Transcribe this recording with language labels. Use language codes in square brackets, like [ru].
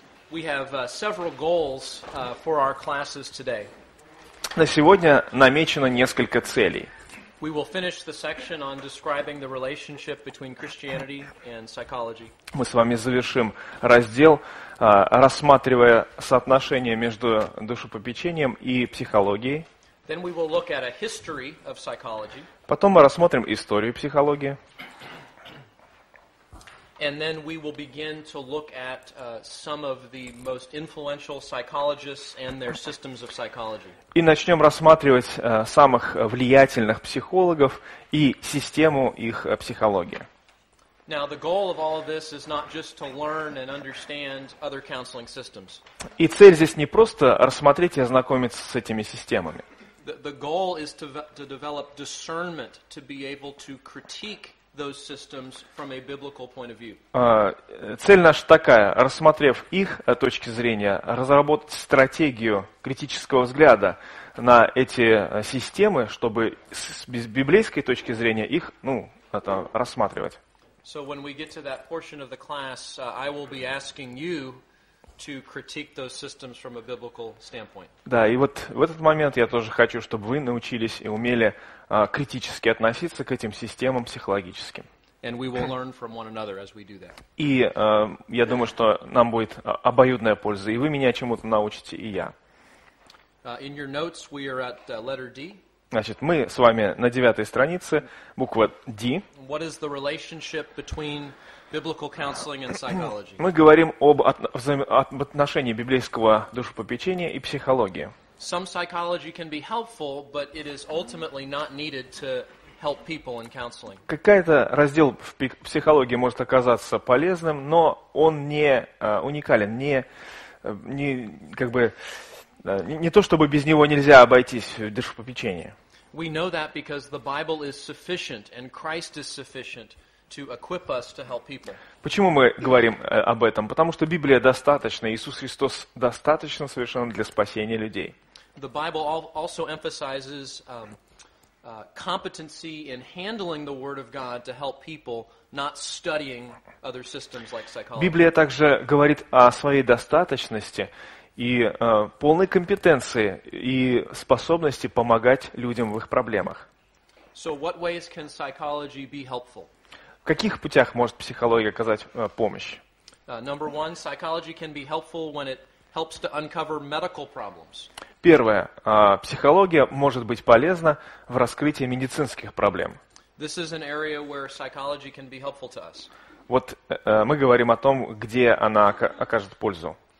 [en] We have several goals for our classes today. [ru] На сегодня намечено несколько целей. [en] We will finish the section on describing the relationship between Christianity and psychology. [ru] Мы с вами завершим раздел, рассматривая соотношение между душепопечением и психологией. [en] Then we will look at a history of psychology. [ru] Потом мы рассмотрим историю психологии. [en] And then we will begin to look at some of the most influential psychologists and their systems of psychology. [ru] И начнем рассматривать самых влиятельных психологов и систему их психологии. [en] Now the goal of all of this is not just to learn and understand other counseling systems. [ru] И цель здесь не просто рассмотреть и ознакомиться с этими системами. [en] The goal is to develop discernment to be able to critique those systems from a biblical point of view. [ru] Цель наша такая, рассмотрев их точки зрения, разработать стратегию критического взгляда на эти системы, чтобы с библейской точки зрения их, ну, это рассматривать. [en] So when we get to that portion of the class, I will be asking you to critique those systems from a biblical standpoint. [ru] Да, и вот в этот момент я тоже хочу, чтобы вы научились и умели критически относиться к этим системам психологическим. [en] And we will learn from one another as we do that. [ru] И я думаю, что нам будет обоюдная польза, и вы меня чему-то научите, и я. [en] In your notes we are at letter D. [ru] Значит, мы с вами на 9-й странице, буква D. [en] What is the relationship between biblical counseling and psychology? [ru] Мы говорим об отношении библейского душепопечения и психологии. [en] Some psychology can be helpful, but it is ultimately not needed to help people in counseling. [ru] Какой-то раздел в психологии может оказаться полезным, но он не уникален, не то чтобы без него нельзя обойтись в душепопечении. [en] We know that because the Bible is sufficient and Christ is sufficient to equip us to help people. [ru] Почему мы говорим об этом? Потому что Библия достаточна, Иисус Христос достаточно совершенно для спасения людей. [en] The Bible also emphasizes competency in handling the word of God to help people, not studying other systems like psychology. [ru] Библия также говорит о своей достаточности и полной компетенции и способности помогать людям в их проблемах. [en] So what ways can psychology be helpful? [ru] В каких путях может психология оказать помощь? [en] Number one, psychology can be helpful when it helps to uncover medical problems. [ru] Первое. Психология может быть полезна в раскрытии медицинских проблем. [en] This is an area where psychology can be helpful to us. [ru] Вот мы говорим о том, где она окажет пользу.